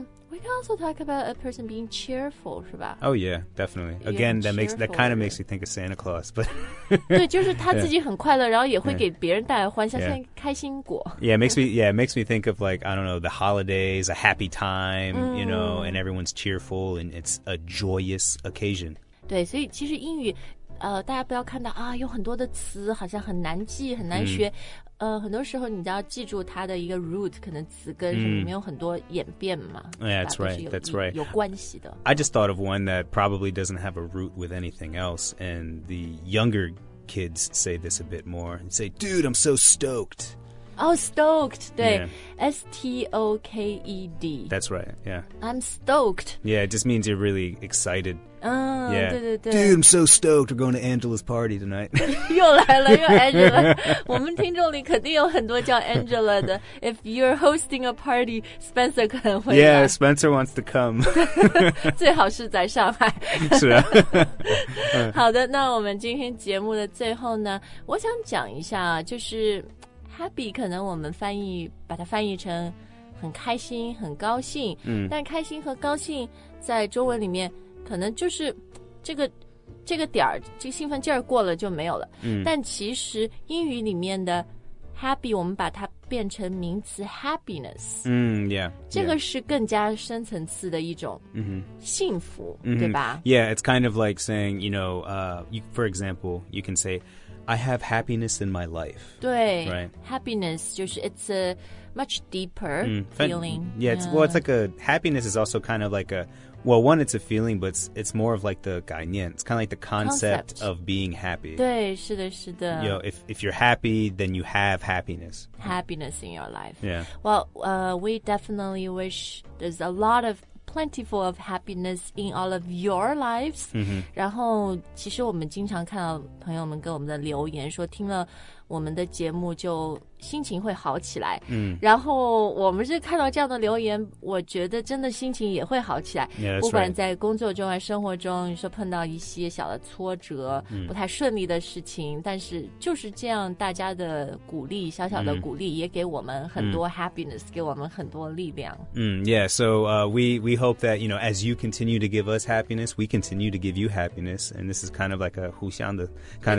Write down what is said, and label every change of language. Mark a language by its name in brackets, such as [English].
[English] We can also talk about a person being cheerful, [Chinese] 是吧 [English] Oh, yeah, definitely. Again, that kind of makes you think of Santa Claus. But [Chinese] 对，就是他自己很快乐，然后也会给别人带来欢笑，像开心果。 [English] Yeah, it makes me think of, like, I don't know, the holidays, a happy time, you know, and everyone's cheerful, and it's a joyous occasion. [Chinese] 对，所以其实英语大家不要看到啊，有很多的词好像很难记很难学、嗯、很多时候你就要记住它的一个 root 可能词根什么、嗯、没有很多演变嘛 [English] That's right, that's right [Chinese] 有关系的 [English] I just thought of one that probably doesn't have a root with anything else And the younger kids say this a bit more and say, dude, I'm so stoked Oh, stoked, [Chinese] 对、 [English] yeah. S-T-O-K-E-D That's right, yeah I'm stoked Yeah, it just means you're really excited 嗯、 yeah. [Chinese] 对对对 [English] Dude, I'm so stoked We're going to Angela's party tonight [Chinese] 又来了又 Angela 我们听众里肯定有很多叫 Angela 的 [English] If you're hosting a party [Chinese] Spencer 可能会来 [English] Yeah, Spencer wants to come [Chinese] 最好是在上海是啊好的那我们今天节目的最后呢我想讲一下就是 Happy 可能我们翻译把它翻译成很开心很高兴、嗯、但开心和高兴在中文里面可能就是这个点儿，这个兴奋劲儿过了就没有了、嗯、但其实英语里面的 happy 我们把它变成名词 happiness [English] 嗯 yeah, yeah [Chinese] 这个是更加深层次的一种幸福、 mm-hmm. 对吧 [English] Yeah it's kind of like saying you know you, for example you can say I have happiness in my life [Chinese] 对、 [English] right? happiness [Chinese] 就是 [English] it's a much deeper、mm, feeling but, yeah, it's, yeah well it's like a happiness is also kind of like aWell, one, it's a feeling, but it's more of like the 概念 It's kind of like the concept, concept of being happy. [Chinese] 对，是的，是的。 [English] You know, if you're happy, then you have happiness. Happiness in your life. Yeah. Well, we definitely wish there's a lot of, plentiful of happiness in all of your lives.、 Mm-hmm. [Chinese] 然后其实我们经常看到朋友们给我们的留言说听了我们的节目就心情会好起来、嗯、然后我们是看到这样的留言我觉得真的心情也会好起来 [English] yeah, that's [Chinese] 不管在工作中还生活中说碰到一些小的挫折、嗯、不太顺利的事情但是就是这样大家的鼓励小小的鼓励也给我们很多 happiness、嗯、给我们很多力量、 [English] 嗯、Yeah, so we hope that you know, as you continue to give us happiness we continue to give you happiness and this is kind of like a [Chinese] 互相的 [English] kind